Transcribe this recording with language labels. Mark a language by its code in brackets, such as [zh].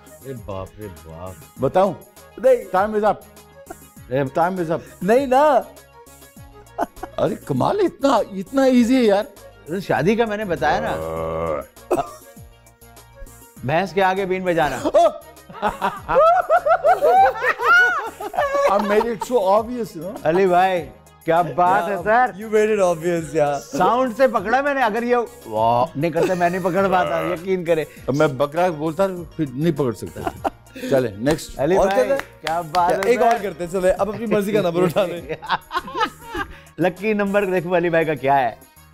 [hi] ए बाप रे बाप, बताऊं? नहीं [en] Time is up, time is up. [hi] नहीं ना अरे कमाल, इतना इतना इजी है यार, शादी का मैंने बताया ना, भैंस के आगे बीन बजाना। [en] I made it so obvious, you know? [hi] Ali भाई क्या बात है sir, [en] you made it obvious यार, [hi] साउंड से पकड़ा मैंने, अगर ये वाह नहीं करते मैं नहीं पकड़ पाता, यकीन करे। मैं बकरा बोलता फिर नहीं पकड़ सकता। चले नेक्स्ट, अली भाई क्या बात है, एक और करते चले, अब अपनी मर्जी का नंबर उठा ले। लकी नंबर देखो अली भाई का क्या है।